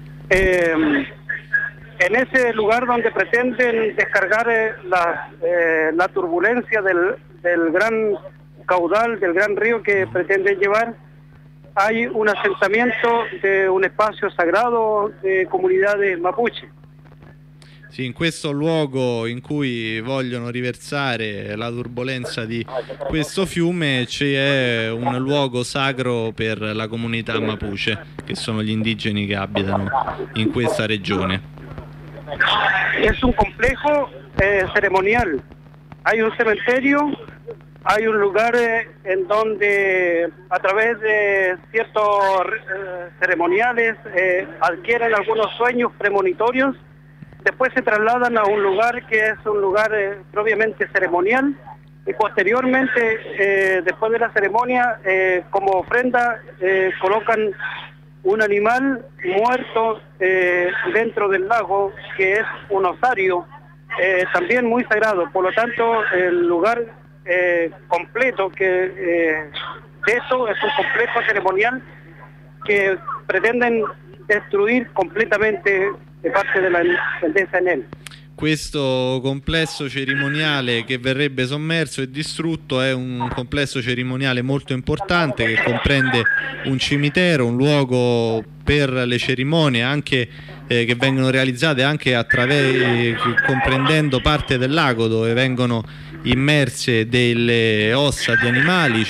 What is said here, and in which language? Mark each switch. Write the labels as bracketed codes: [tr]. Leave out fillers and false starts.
[es] En ese lugar donde pretenden descargar la turbulencia del gran caudal, del gran río que pretenden llevar, hay un asentamiento de un espacio sagrado de comunidades mapuche. [it] Sì, in questo luogo in cui vogliono riversare la turbolenza di questo fiume c'è un luogo sacro per la comunità mapuche, che sono gli indigeni che abitano in questa regione. [es] Es un complejo ceremonial. Hay un cementerio, hay un lugar en donde a través de ciertos ceremoniales adquieren algunos sueños premonitorios, después se trasladan a un lugar que es un lugar propiamente ceremonial, y posteriormente, después de la ceremonia, como ofrenda colocan un animal muerto dentro del lago, que es un osario, también muy sagrado. Por lo tanto, el lugar completo de eso es un complejo ceremonial que pretenden destruir completamente de parte de la tendencia en él. [it] Questo complesso cerimoniale che verrebbe sommerso e distrutto è un complesso cerimoniale molto importante, che comprende un cimitero, un luogo per le cerimonie anche che vengono realizzate anche comprendendo parte del lago dove vengono immerse delle ossa di animali.